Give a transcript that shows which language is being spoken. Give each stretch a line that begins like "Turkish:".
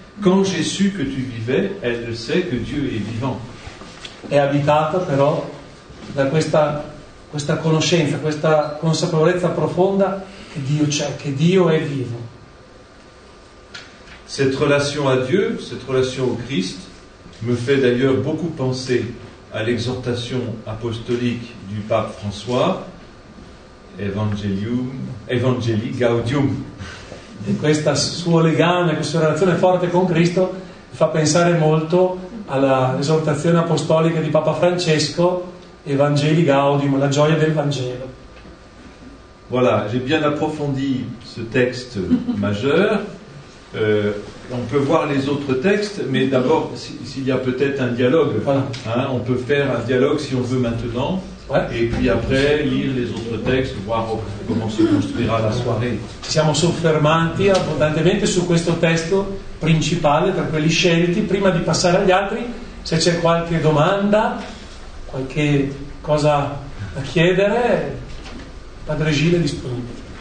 French: Quand j'ai su que tu vivais, elle le sait que Dieu est vivant.
Italian: È abitata però da questa conoscenza, questa consapevolezza profonda che Dio c'è, che Dio è vivo.
French: Cette relation à Dieu, cette relation au Christ, me fait d'ailleurs beaucoup penser à l'exhortation apostolique du pape François, Evangelii Gaudium.
Italian: E questo suo legame, questa relazione forte con Cristo, fa pensare molto alla esortazione apostolica di Papa Francesco, Evangelii Gaudium, la gioia del Vangelo.
French: Voilà, j'ai bien approfondi ce texte majeur. On peut voir les autres textes, mais d'abord, s'il y a peut-être un dialogue, voilà. Hein, on peut faire un dialogue si on veut maintenant. Ouais. Et puis après, lire les autres textes, voir comment si construira la soirée.
Italian: Ci siamo soffermati abbondantemente su questo testo principale, per quelli scelti. Prima di passare agli altri, se c'è qualche domanda, qualche cosa da chiedere, Padre Gilles è disponibile.